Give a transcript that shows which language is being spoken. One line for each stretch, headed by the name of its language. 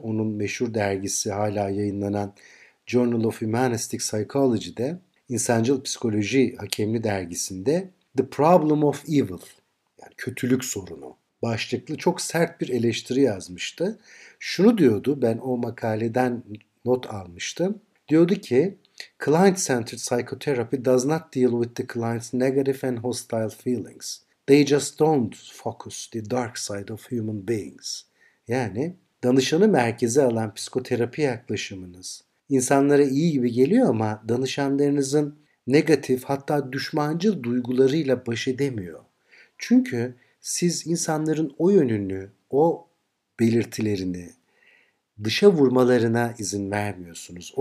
Turkish: Onun meşhur dergisi hala yayınlanan Journal of Humanistic Psychology'de, İnsancıl Psikoloji Hakemli Dergisi'nde The Problem of Evil, yani kötülük sorunu başlıklı çok sert bir eleştiri yazmıştı. Şunu diyordu, ben o makaleden not almıştım.
English: Diyordu ki, "Client-centered psychotherapy does not deal with the client's negative and hostile feelings. They just don't focus the dark side of human beings."
Turkish: Yani danışanı merkeze alan psikoterapi yaklaşımınız insanlara iyi gibi geliyor ama danışanlarınızın negatif, hatta düşmancıl duygularıyla baş edemiyor. Çünkü siz insanların o yönünü, o belirtilerini dışa vurmalarına izin vermiyorsunuz.